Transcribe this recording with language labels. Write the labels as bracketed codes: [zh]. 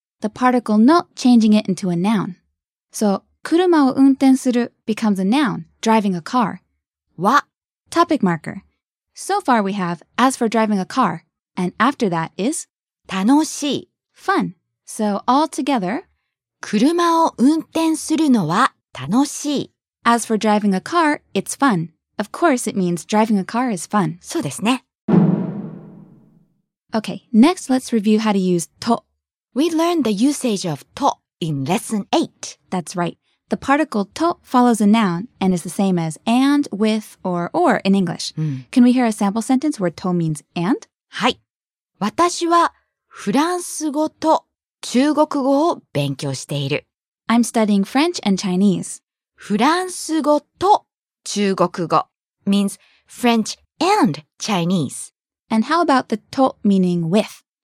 [en] The particle の changing it into a noun. So, [ja] 車を運転する [en] becomes a noun, driving a car. [ja] わ [en] Topic marker. So far we have, as for driving a car, and after that is? [ja] 楽しい [en] Fun. So all together, [ja] 車を運転するのは楽しい [en] As for driving a car, it's fun. Of course, it means driving a car is fun. [ja] そうですね。 [en] Okay, next let's review how to use と. We learned the usage of と in lesson 8. That's right. The particle と follows a noun and is the same as and, with, or in English.、 [ja] うん、 [en] Can we hear a sample sentence where と means and? [ja] はい。私はフランス語と中国語を勉強している。 [en] I'm studying French and Chinese. [ja] フランス語と中国語 [en] means French and Chinese. And how about the と meaning with?